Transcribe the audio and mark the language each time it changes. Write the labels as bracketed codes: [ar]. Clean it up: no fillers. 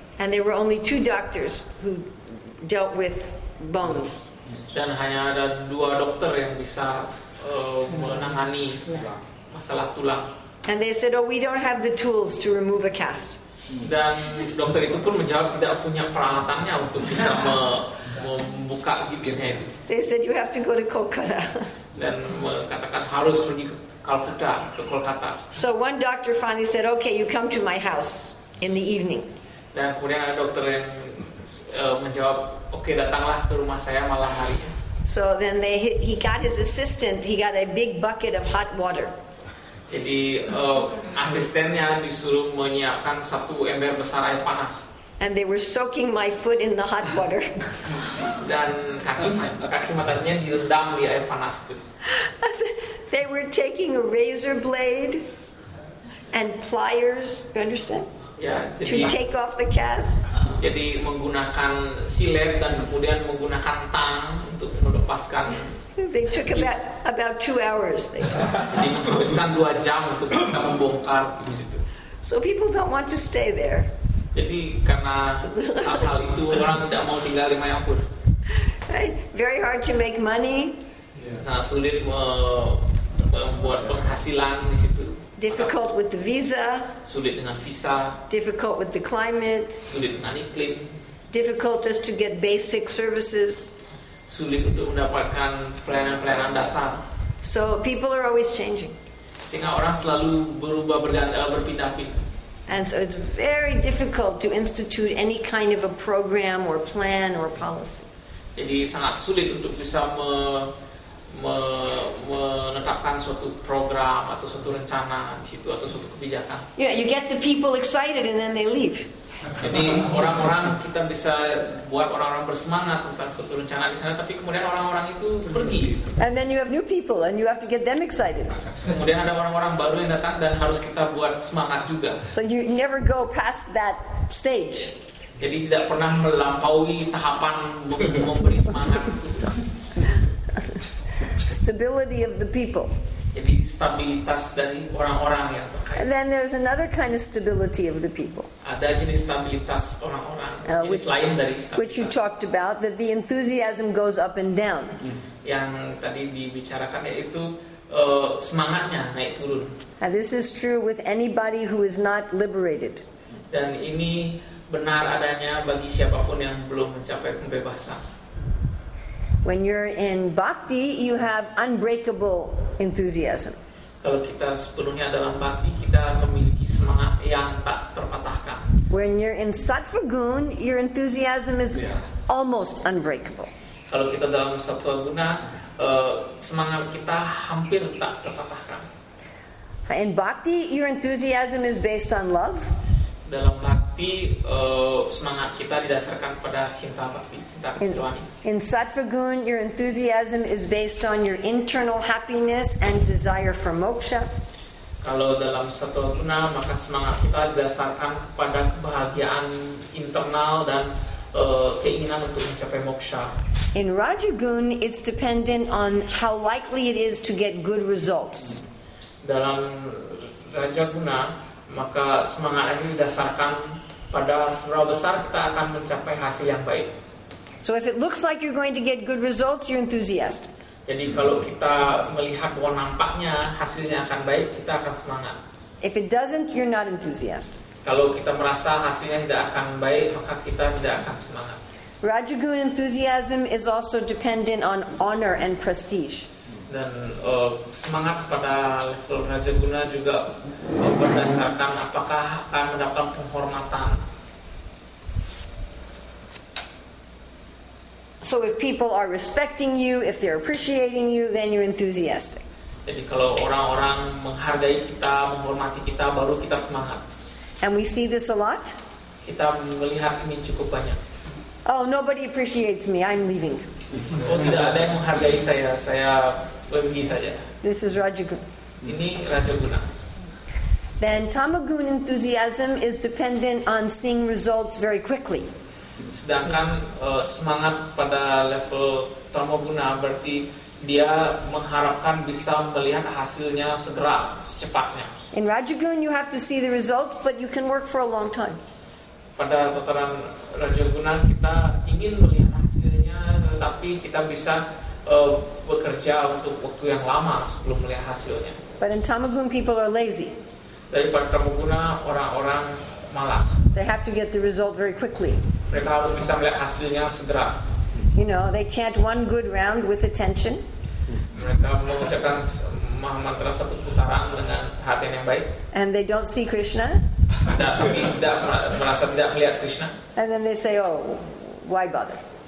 [en] And there were only two doctors who dealt with bones. [id] Dan hanya ada dua dokter yang bisa menangani masalah tulang. [en] And they said, "Oh, we don't have the tools to remove a cast." [id] Dan dokter itu pun menjawab tidak punya peralatannya untuk bisa membuka gipsnya itu. [en] They said you have to go to Kolkata. [id] Dan mengatakan harus pergi ke Kolkata, ke Kolkata. [en] So one doctor finally said, okay, you come to my house in the evening. [id] Dan kemudian ada dokter yang menjawab, okay, datanglah ke rumah saya malam harinya. [en] So then he got his assistant, he got a big bucket of hot water. [id] Jadi asistennya disuruh menyiapkan satu ember besar air panas. [en] And they were soaking my foot in the hot water. [id] Dan kaki matanya direndam di air panas itu. [en] They were taking a razor blade and pliers, you understand? Yeah, to take off the cast. [id] Jadi menggunakan silet dan kemudian menggunakan tang untuk melepaskan. [en] They took about 2 hours. [id] Jadi menghabiskan 2 jam untuk bisa membongkar di situ. [en] So people don't want to stay there. [id] Jadi karena hal itu orang tidak mau tinggal di Mayapur. [en] Very hard to make money. [id] Sangat sulit membuat penghasilan di situ. [en] Difficult with the visa. [id] Sulit dengan visa. [en] Difficult with the climate. [id] Sulit dengan iklim. [en] Difficult just to get basic services. [id] Sulit untuk mendapatkan pelayanan-pelayanan dasar. [en] So people are always changing. [id] Sehingga orang selalu berubah berpindah-pindah. [en] And so it's very difficult to institute any kind of a program or plan or policy. [id] Jadi sangat sulit untuk bisa menetapkan suatu program atau suatu rencana di situ atau suatu kebijakan. [en] Yeah, you get the people excited and then they leave. [id] Jadi orang-orang kita bisa buat orang-orang bersemangat tentang suatu rencana di sana, tapi kemudian orang-orang itu pergi. [en] And then you have new people and you have to get them excited. [id] Kemudian ada orang-orang baru yang datang dan harus kita buat semangat juga. [en] So you never go past that stage. [id] Jadi tidak pernah melampaui tahapan memberi semangat. [en] Stability of the people. [id] Jadi stabilitas dari orang-orang yang terkait. [en] And then there's another kind of stability of the people. [id] Ada jenis stabilitas orang-orang jenis lain dari stabilitas. [en] Which you talked about, that the enthusiasm goes up and down. [id] Yang tadi dibicarakan yaitu semangatnya naik turun. [en] And this is true with anybody who is not liberated. [id] Dan ini benar adanya bagi siapapun yang belum mencapai pembebasan. [en] When you're in bhakti, you have unbreakable enthusiasm. [id] kalau kita sepenuhnya dalam bhakti, kita memiliki semangat yang tak terpatahkan. [en] When you're in sattva guna, your enthusiasm is almost unbreakable. [id] Kalau kita dalam sattva guna, semangat kita hampir tak terpatahkan. [en] In bhakti, your enthusiasm is based on love. [id] Dalam bhakti, semangat kita didasarkan pada cinta bhakti, cinta kesilwani. [en] In sattva guna, your enthusiasm is based on your internal happiness and desire for moksha. [id] Kalau dalam sattva guna, maka semangat kita didasarkan pada kebahagiaan internal dan keinginan untuk mencapai moksha. [en] In rajagun, it's dependent on how likely it is to get good results. [id] Dalam rajaguna, maka semangat ini didasarkan pada seberapa besar kita akan mencapai hasil yang baik. [en] So if it looks like you're going to get good results, you're enthusiastic. [id] Jadi kalau kita melihat bahwa nampaknya hasilnya akan baik, kita akan semangat. [en] If it doesn't, you're not enthusiastic. [id] Kalau kita merasa hasilnya tidak akan baik, maka kita tidak akan semangat. [en] Rajagun enthusiasm is also dependent on honor and prestige. [id] Dan semangat pada level rajaguna juga berdasarkan apakah akan mendapatkan penghormatan. [en] So if people are respecting you, if they're appreciating you, then you're enthusiastic. [id] Jadi kalau orang-orang menghargai kita, menghormati kita, baru kita semangat. [en] And we see this a lot. [id] Kita melihat ini cukup banyak. [en] Oh, nobody appreciates me. I'm leaving. [id] Oh, tidak ada yang menghargai saya. Saya pergi saja. [en] This is rajagun. [id] Ini rajaguna. [en] Then tamagun enthusiasm is dependent on seeing results very quickly. [id] Sedangkan semangat pada level tamaguna berarti dia mengharapkan bisa melihat hasilnya segera, secepatnya. [en] In rajagun, you have to see the results, but you can work for a long time. [id] Pada tataran rajaguna kita ingin melihat hasilnya, tetapi kita bisa bekerja untuk waktu yang lama sebelum melihat hasilnya. [en] But in tamagun, people are lazy. [id] Dari pada tamaguna orang-orang malas. [en] They have to get the result very quickly. [id] Mereka harus bisa melihat hasilnya segera. [en] You know, they chant one good round with attention. [id] Mereka mengucapkan mahamantra satu putaran dengan hati yang baik. [en] And they don't see Krishna. [id] Tidak, tapi tidak merasa tidak melihat Krishna. [en] And then they say, oh, why bother?